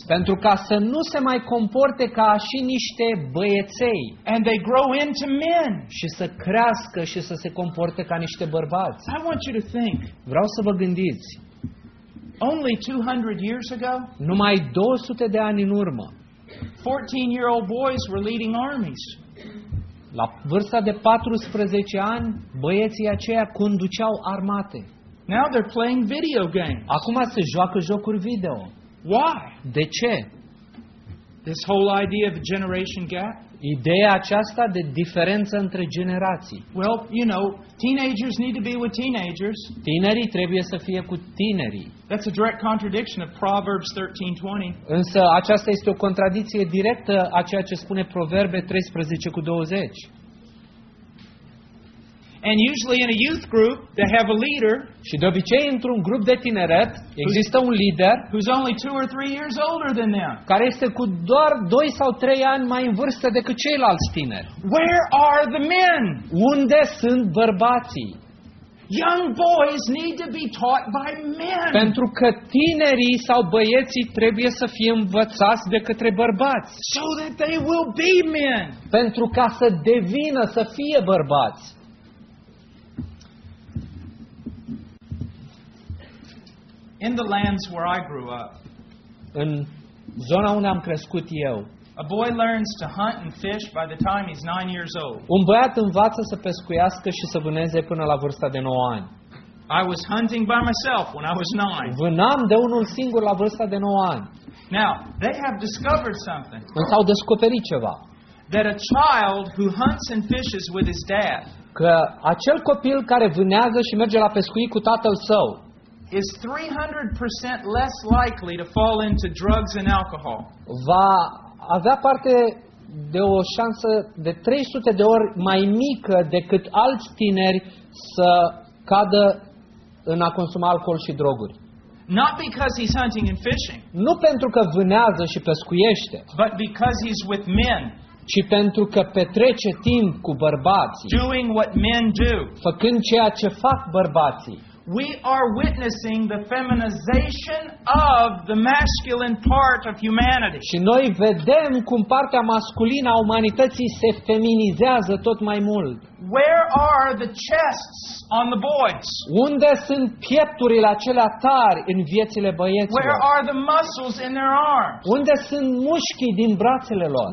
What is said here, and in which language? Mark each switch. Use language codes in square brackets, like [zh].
[ro] pentru ca să nu se mai comporte ca și niște băieței. [en] And they grow into men. [ro] Și să crească și să se comporte ca niște bărbați. [en] I want you to think. [ro] Vreau să vă gândiți. [en] Only 200 years ago, [ro] numai 200 de ani în urmă, [en] 14-year-old boys were leading armies. [ro] La vârsta de 14 ani, băieții aceia conduceau armate. [en] Now they're playing video games. [ro] Acum se joacă jocuri video. [en] Why? [ro] De ce? [en] This whole idea of a generation gap. [ro] Ideea aceasta de diferență între generații. [en] Well, you know, teenagers need to be with teenagers. [ro] Tinerii trebuie să fie cu tinerii. [en] That's a direct contradiction of Proverbs 13:20. [ro] Însă aceasta este o contradicție directă a ceea ce spune Proverbe 13:20. [en] And usually in a youth group, they have a leader. [ro] Și de obicei într-un grup de tineret există un lider [en] who's only 2 or 3 years older than them. [ro] Care este cu doar 2 sau 3 ani mai în vârstă decât ceilalți tineri. [en] Where are the men? [ro] Unde sunt bărbații? [en] Young boys need to be taught by men. [ro] Pentru că tinerii sau băieții trebuie să fie învățați de către bărbați. [en] So that they will be men. [ro] Pentru ca să devină, să fie bărbați. [en] In the lands where I grew up, [ro] în zona unde am crescut eu, [en] a boy learns to hunt and fish by the time he's 9 years old. [ro] Un băiat învață să pescuiască și să vâneze până la vârsta de 9 ani. [en] I was hunting by myself when I was 9. [ro] Vânam de unul singur la vârsta de 9 ani. [en] Now, they have discovered something. [ro] Însă au descoperit ceva. [en] That a child who hunts and fishes with his dad, [ro] că acel copil care vânează și merge la pescuit cu tatăl său, [en] is 300% less likely to fall into drugs and alcohol. [ro] Va avea parte de o șansă de 300 de ori mai mică decât alți tineri să cadă în a consuma alcool și droguri. [en] Not because he's hunting and fishing. [ro] Nu pentru că vânează și pescuiește. [en] But because he's with men. [ro] Ci pentru că petrece timp cu bărbații. [en] Doing what men do. [ro] Făcând ceea ce fac bărbații. [en] We are witnessing the feminization of the masculine part of humanity. [ro] Și noi vedem cum partea masculină a umanității se feminizează tot mai mult. [en] Where are the chests on the boys? [ro] Unde sunt piepturile acelea tari în viețile băieților? [en] Where are the muscles in their arms? [ro] Unde sunt mușchii din brațele lor?